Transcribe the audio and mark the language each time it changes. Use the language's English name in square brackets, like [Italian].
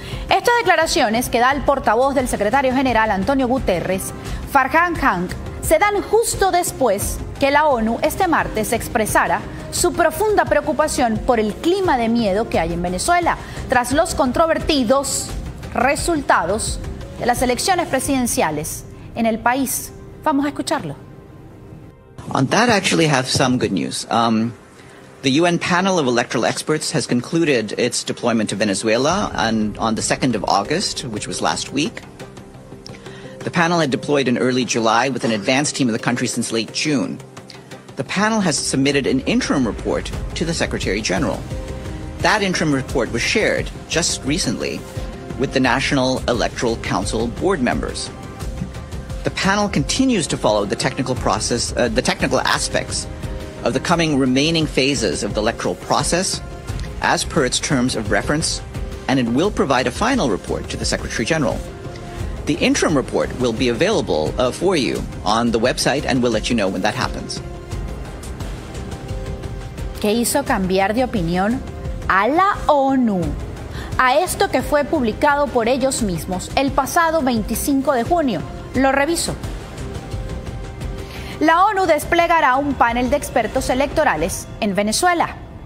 [Spanish] Estas declaraciones que da el portavoz del secretario general Antonio Guterres, Farhan Khan, se dan justo después que la ONU este martes expresara su profunda preocupación por el clima de miedo que hay en Venezuela tras los controvertidos resultados de las elecciones presidenciales en el país. Vamos a escucharlo. [English] On that, actually have some good news. The UN panel of electoral experts has concluded its deployment to Venezuela and on the 2nd of August, which was last week. The panel had deployed in early July with an advanced team of the country since late June. The panel has submitted an interim report to the Secretary General. That interim report was shared just recently with the National Electoral Council board members. The panel continues to follow the technical process, the technical aspects of the coming remaining phases of the electoral process as per its terms of reference, and it will provide a final report to the Secretary General. The interim report will be available for you on the website and we'll let you know when that happens. [Spanish] ¿Qué hizo cambiar de opinión a la ONU? A esto que fue publicado por ellos mismos el pasado 25 de junio. Lo reviso. La ONU desplegará un panel de expertos electorales en Venezuela.